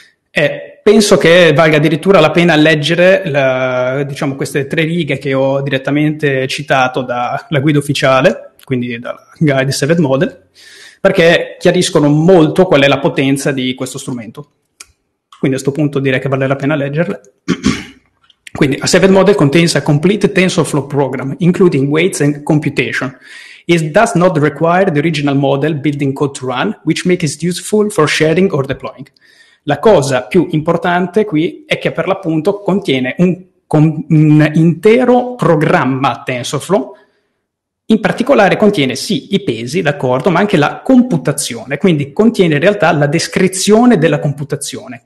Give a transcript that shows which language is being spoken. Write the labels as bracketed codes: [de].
[it] E penso che valga addirittura la pena leggere diciamo queste tre righe che ho direttamente citato dalla guida ufficiale, quindi dal guide saved model, perché chiariscono molto qual è la potenza di questo strumento. Quindi a questo punto direi che vale la pena leggerle. Quindi, [en] a saved model contains a complete TensorFlow program, including weights and computation. It does not require the original model building code to run, which makes it useful for sharing or deploying. [it] La cosa più importante qui è che per l'appunto contiene un intero programma TensorFlow. In particolare contiene sì i pesi, d'accordo, ma anche la computazione. Quindi contiene in realtà la descrizione della computazione.